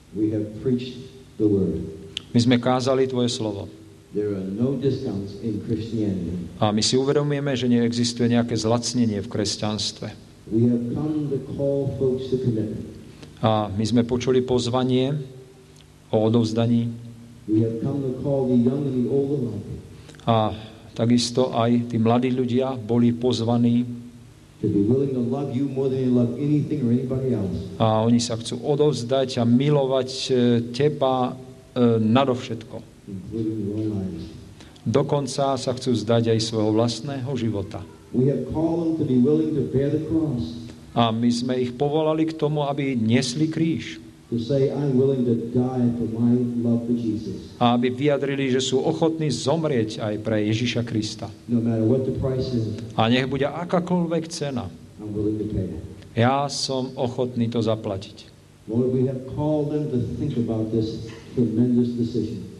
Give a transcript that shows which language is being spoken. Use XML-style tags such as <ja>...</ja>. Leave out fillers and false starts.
<en>We have preached the word.</en> <sk>My sme kázali Tvoje slovo.</sk> <en>There are no discounts in Christianity.</en> <sk>A my si uvedomujeme, že neexistuje nejaké zlacnenie v kresťanstve.</sk> <en>We have come to call folks to commitment.</en> <sk>A my sme počuli pozvanie o odovzdaní.</sk> <en>We have come to call the young and the old alike.</en> <sk>A takisto aj tí mladí ľudia boli pozvaní.</sk> <en>To be willing to love you more than you love anything or anybody else.</en> <sk>A oni sa chcú odovzdať a milovať teba nadovšetko.</sk> <en>Including your own lives.</en> <sk>Dokonca sa chcú zdať aj svojho vlastného života.</sk> <en>We have called them to be willing to bear the cross.</en> <sk>A my sme ich povolali k tomu, aby nesli kríž.</sk> <en>To say I'm willing to die for my love for Jesus.</en> <sk>A aby vyjadrili, že sú ochotní zomrieť aj pre Ježiša Krista.</sk> <en>No matter what the price is.</en> <sk>A nech bude akákoľvek cena.</sk> <en>I'm willing to pay.</en> <sk>Ja som ochotný to zaplatiť.</sk> <en>Lord, we have called them to think about this tremendous decision.</en>